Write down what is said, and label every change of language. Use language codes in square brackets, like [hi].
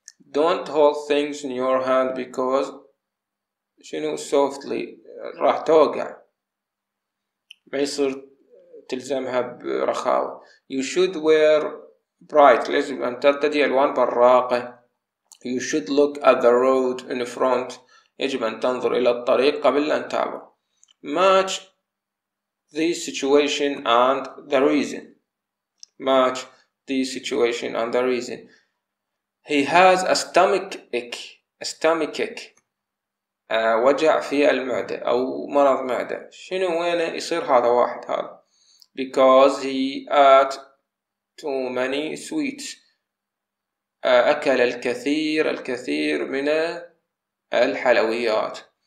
[en] don't hold things in your hand because شنو؟ softly، [ar] راح توقع ما يصير تلزمها برخاوة. [en] you should wear bright، [ar] لازم أن ترتدي ألوان براقة. [en] you should look at the road in front، [ar] يجب أن تنظر إلى الطريق قبل أن تعبر. [en] match the situation and the reason، match the situation and the reason. he has a stomach ache، stomach ache [ar] وجع في المعدة أو مرض معدة. شنو وينه يصير هذا؟ واحد هذا [en] because he ate too many sweets، [ar] أكل الكثير من الحلويات.